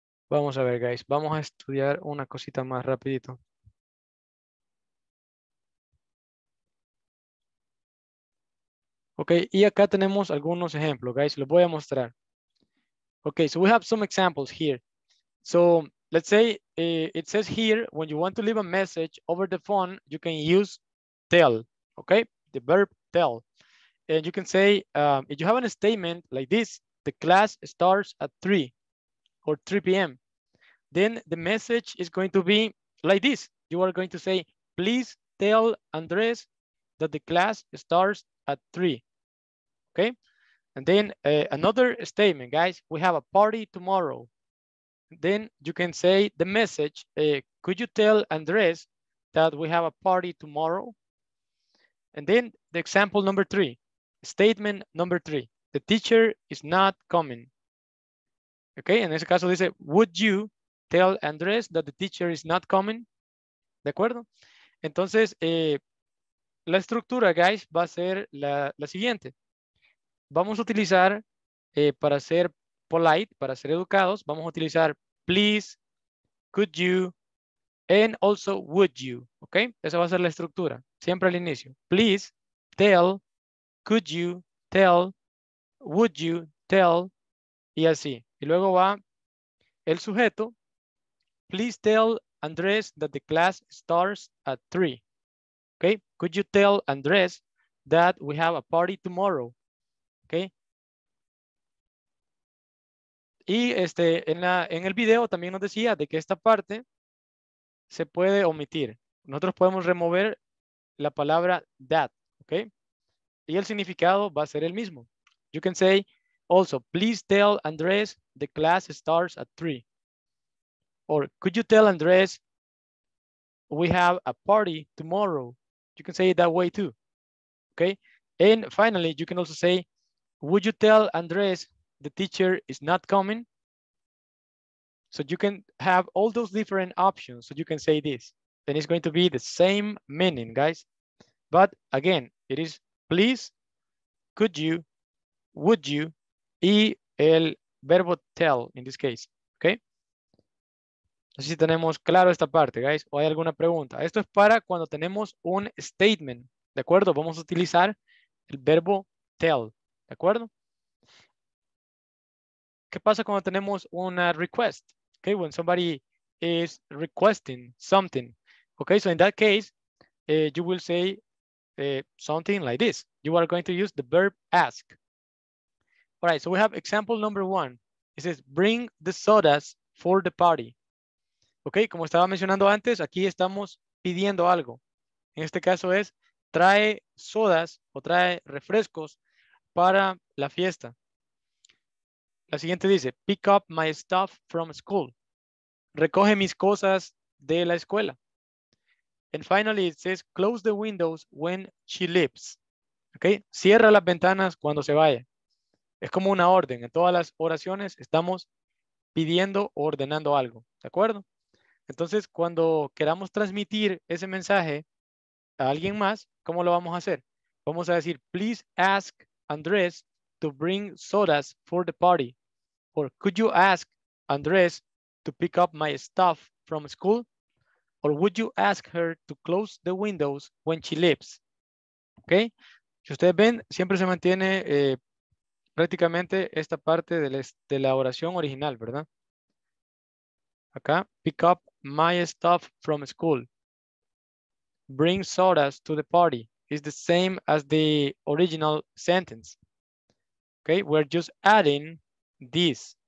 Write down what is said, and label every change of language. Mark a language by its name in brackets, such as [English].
[Spanish] Vamos a ver, guys, vamos a estudiar una cosita más rapidito. Ok, y acá tenemos algunos ejemplos, guys, los voy a mostrar. [English] Ok, so we have some examples here. So, let's say it says here, when you want to leave a message over the phone, you can use tell, okay? The verb tell. And you can say, if you have a statement like this, the class starts at 3 or 3 p.m., then the message is going to be like this. You are going to say, please tell Andres that the class starts at 3, okay? And then another statement, guys, we have a party tomorrow. Then you can say the message, could you tell Andres that we have a party tomorrow? And then the example number three, statement number three, the teacher is not coming. Okay, [Spanish] en ese caso dice, [English] would you tell Andres that the teacher is not coming? [Spanish] De acuerdo? Entonces, la estructura, guys, va a ser la siguiente. Vamos a utilizar, para ser polite, para ser educados, vamos a utilizar [English] please, could you, and also would you, [Spanish] ¿ok? Esa va a ser la estructura, siempre al inicio. [English] Please, tell, could you, tell, would you, tell, [Spanish] y así. Y luego va el sujeto, [English] please tell Andres that the class starts at 3, ¿ok? Could you tell Andres that we have a party tomorrow, ¿ok? [Spanish] Y en el video también nos decía de que esta parte se puede omitir. Nosotros podemos remover la palabra that, okay? Y el significado va a ser el mismo. [English] You can say also, please tell Andres the class starts at 3. Or could you tell Andres we have a party tomorrow? You can say it that way too, okay? And finally, you can also say, would you tell Andres the teacher is not coming? So you can have all those different options. So you can say this, and it's going to be the same meaning, guys. But again, it is please, could you, would you, [Spanish] y el verbo [English] tell in this case, okay? [Spanish] No sé si tenemos claro esta parte, guys, o hay alguna pregunta. Esto es para cuando tenemos un statement, ¿de acuerdo? Vamos a utilizar el verbo tell, ¿de acuerdo? ¿Qué pasa cuando tenemos una [English] request? Okay, when somebody is requesting something. Okay, so in that case, you will say something like this. You are going to use the verb ask. All right, so we have example number one. It says, bring the sodas for the party. [Spanish] Okay, como estaba mencionando antes, aquí estamos pidiendo algo. En este caso es, trae sodas o trae refrescos para la fiesta. La siguiente dice, [English] pick up my stuff from school. [Spanish] Recoge mis cosas de la escuela. [English] And finally, it says, close the windows when she leaves. [Spanish] Okay, cierra las ventanas cuando se vaya. Es como una orden. En todas las oraciones estamos pidiendo o ordenando algo. ¿De acuerdo? Entonces, cuando queramos transmitir ese mensaje a alguien más, ¿cómo lo vamos a hacer? Vamos a decir, [English] please ask Andres to bring sodas for the party. Or could you ask Andres to pick up my stuff from school? Or would you ask her to close the windows when she leaves? Okay? [Spanish] Si ustedes ven, siempre se mantiene prácticamente esta parte de la oración original, ¿verdad? [English] Acá, pick up my stuff from school. Bring sodas to the party. It's the same as the original sentence. Okay, we're just adding this.